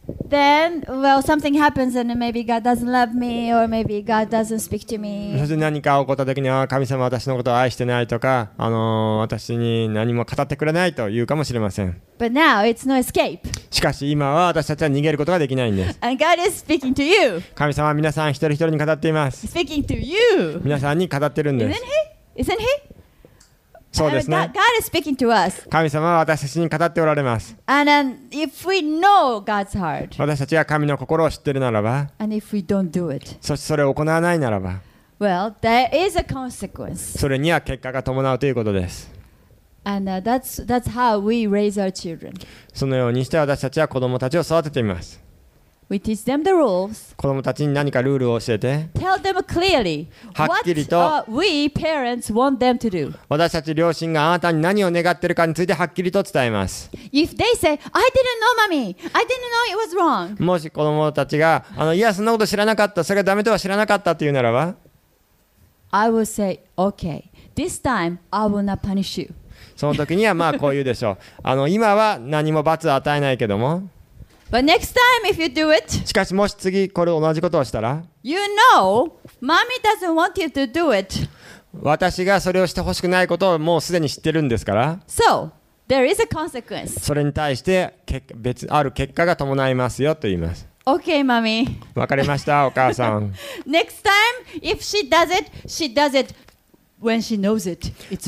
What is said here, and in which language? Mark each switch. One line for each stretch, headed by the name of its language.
English: Then, well, something happens and maybe God doesn't love me or maybe God doesn't speak to me.
Japanese: そして何か起こった時には神様は私のことを愛してないとか、私に何も語ってくれないというかもしれません。
English: But now it's no escape.
Japanese: しかし今は私たちは逃げることができないんです。
English: And God is speaking to you.
Japanese: 神様は皆さん一人一人に語っています。
English: Speaking to you.
Japanese: 皆さんに語ってるんです。
English: Isn't he? Isn't he?
Japanese: そうですね、
English: God is speaking to us.
Japanese: 神様は私たちに語っておられます。
English: And then if we know God's heart,
Japanese: 私たちが神の心を知っているならば、
English: and if we don't do it,
Japanese: そしてそれを行わないならば、
English: well, there is a consequence.
Japanese: それには結果が伴うということです。
English: And that's how we raise our children.
Japanese: そのようにして私たちは子供たちを育てています。
English: We teach them the rules.
Japanese: 子供たちに何かルールを教えて、
English: Tell them clearly.
Japanese: はっきりと、
English: What we parents want them to do.
Japanese: 私たち両親があなたに何を願っているかについてはっきりと伝えます。
English: If they say, I didn't know, mommy. I didn't know it was wrong.
Japanese: もし子供たちが、いや、そんなこと知らなかった。それがダメとは知らなかったというならば、
English: I will say, okay. This time, I will not punish you.
Japanese: その時にはまあこう言うでしょう。今は何も罰を与えないけども、
English: But next time if you do it,
Japanese: しかしもし次これ同じことをしたら、
English: you know, mommy doesn't want you to do it.
Japanese: 私がそれをしてほしくないことをもうすでに知ってるんですから、
English: so, there is a consequence.
Japanese: それに対して別ある結果が伴いますよと言います。
English: Okay, mommy.
Japanese: わかりました、お母さん。
English: next time if she does it, she does it when she knows it, it's